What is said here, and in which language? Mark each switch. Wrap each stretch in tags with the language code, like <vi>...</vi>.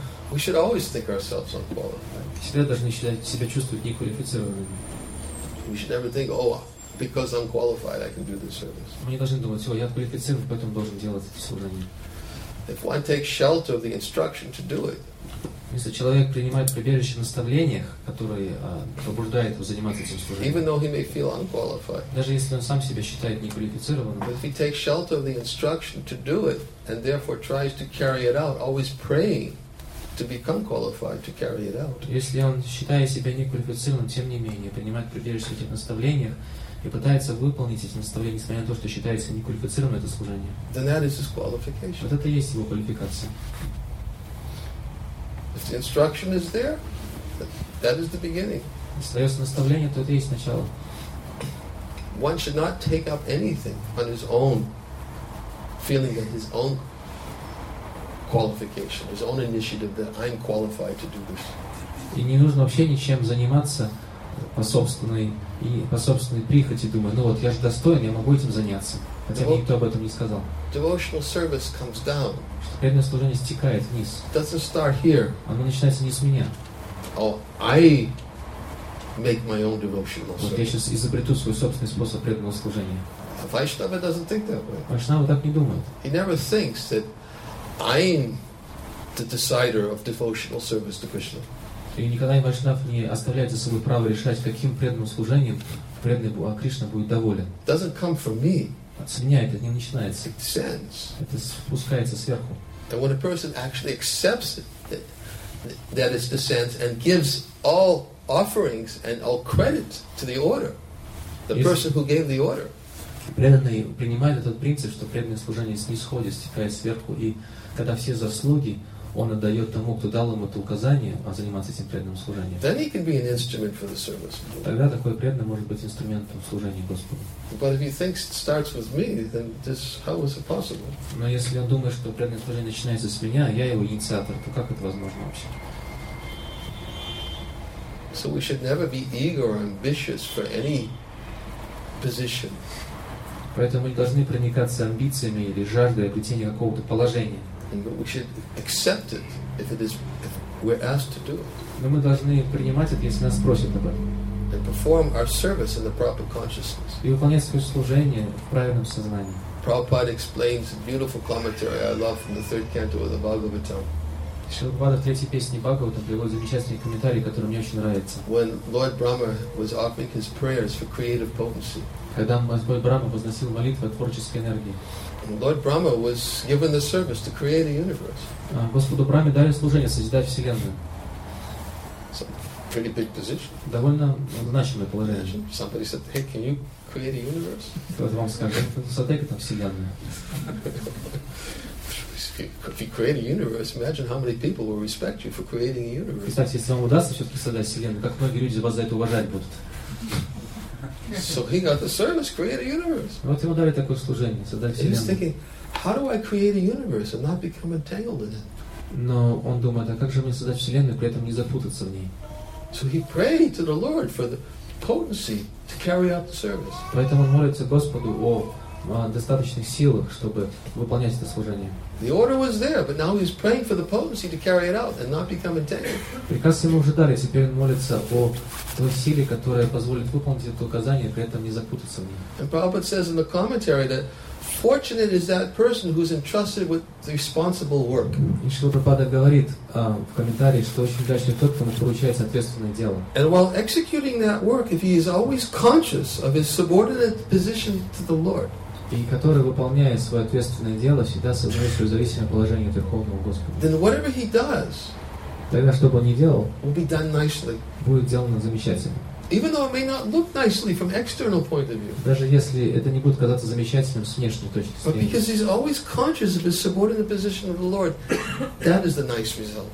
<en>We should always think ourselves unqualified.</en> <ru>Всегда должны считать себя чувствовать неквалифицированными.</ru> <en>We should never think, oh, because I'm qualified, I can do this service.</en> <ru>Мы не должны думать, я квалифицирован, поэтому должен делать это служение.</ru> <en>If one takes shelter of the instruction to do it.</en> <ru>Если человек принимает прибежище в наставлениях, которые побуждают его заниматься этим служением,</ru> <en>even though he may feel unqualified,</en> <ru>даже если он сам себя считает неквалифицированным,</ru> <en>if he takes shelter of the instruction to do it and therefore tries to carry it out, always praying to become qualified to carry it out.</en> <ru>Если он считает себя неквалифицированным, тем не менее принимает прибежище в этих наставлениях и пытается выполнить эти наставления, несмотря на то, что считается неквалифицированным это служение,</ru> <en>then that is his qualification.</en> <ru>Вот это и есть его квалификация.</ru> <en>If the instruction is there, that is the beginning.</en> <ru>Остается наставление, то это и есть начало.</ru> <en>One should not take up anything on his own, feeling that his own qualification, his own initiative, that I'm qualified to do this.</en> <ru>И не нужно вообще ничем заниматься по собственной прихоти, думая, ну вот я же достоин, я могу этим заняться, хотя мне никто об этом не сказал.</ru> <en>Devotional service comes down.</en> <ru>Преданное служение стекает вниз.</ru> <en>Doesn't start here.</en> <ru>Оно начинается не с меня.</ru> <en>Oh, I make my own devotional service.</en> <ru>Вот я сейчас изобрету свой собственный способ преданного служения.</ru> <en>Vaishnava doesn't think that way.</en> <ru>Vaishnava так не думает.</ru> <en>He never thinks that I'm the decider of devotional service to Krishna.</en> <ru>И никогда и Вайшнав не оставляет за собой право решать, каким преданным служением преданный Кришна будет доволен.</ru> <en>Doesn't come from me.</en> <ru>От меня это не начинается.</ru> <en>It descends.</en> <ru>Это спускается сверху.</ru> <en>And when a person actually accepts it, that it descends and gives all offerings and all credit to the order, the person who gave the order.</en> <ru>Преданный принимает этот принцип, что преданное служение снисходит, стекает сверху, и когда все заслуги он отдает тому, кто дал ему это указание, а заниматься этим преданным служением.</ru> <en>Then he can be an instrument for the service.</en> <ru>Тогда такой преданный может быть инструментом служения Господу.</ru> <en>But if he thinks it starts with me, then this, how is it possible?</en> <ru>Но если он думает, что преданное служение начинается с меня, а я его инициатор, то как это возможно вообще?</ru> <en>So we should never be eager or ambitious for any position.</en> <ru>Поэтому мы не должны проникаться амбициями или жаждой обретения какого-то положения.</ru> <en>But we should accept it if it is if we're asked to do it.</en> <ru>Но мы должны принимать это, если нас спросят об этом.</ru> <en>And perform our service in the proper consciousness.</en> <ru>И выполнять свое служение в правильном сознании.</ru> <en>Prabhupada explains a beautiful commentary I love from the third canto of the Bhagavatam.</en> <ru>Шрила Прабхупада в третьей песне Бхагавата приводит замечательный комментарий, который мне очень нравится.</ru> <en>When Lord Brahma was offering his prayers for creative potency.</en> <ru>Когда Господь Брахма возносил молитвы о творческой энергии.</ru> <en>Lord Brahma was given the service to create a universe.</en> <ru>Господу Брахме дали служение созидать вселенную.</ru> <en>So, pretty big position.</en> <ru>Довольно значимое положение.</ru> <en>Imagine somebody said, "Hey, can you create a universe?"</en> <ru>Кто-то вам скажет, создай какую-то вселенную.</ru> <en>If you create a universe, imagine how many people will respect you for creating a universe.</en> <ru>Кстати, если вам удастся все-таки создать вселенную, как многие люди вас за это уважать будут.</ru> <en>So he got the service, create a universe.</en> <ru>Вот ему дали такое служение, создать вселенную.</ru> <en>He's thinking, how do I create a universe and not become entangled in it?</en> <ru>Но он думает, а как же мне создать вселенную, при этом не запутаться в ней?</ru> <en>So he prayed to the Lord for the potency to carry out the service.</en> <ru>Поэтому он молится Господу о достаточных силах, чтобы выполнять это служение.</ru> <en>The order was there, but now he's praying for the potency to carry it out and not become entangled.</en> <ru>Приказ ему уже дали, теперь он молится о той силе, которая позволит выполнить это указание, при этом не запутаться в ней.</ru> <en>And Prabhupada says in the commentary that fortunate is that person who's entrusted with the responsible work.</en> <ru>И Шрила Прабхупада говорит в комментарии, что очень удачный тот, кому поручается ответственное дело.</ru> <en>And while executing that work, if he is always conscious of his subordinate position to the Lord.</en> <ru>И который выполняет свое ответственное дело, всегда сознает свое зависимое положение Верховного Господа.</ru> <en>Then whatever he does,</en> <ru>тогда, что бы он ни делал,</ru> <en>will be done nicely.</en> <ru>Будет сделано замечательно.</ru> <en>Even though it may not look nicely from external point of view.</en> <ru>Даже если это не будет казаться замечательным с внешней точки зрения.</ru> <en>But because he's always conscious of his subordinate position of the Lord, that is the nice result.</en>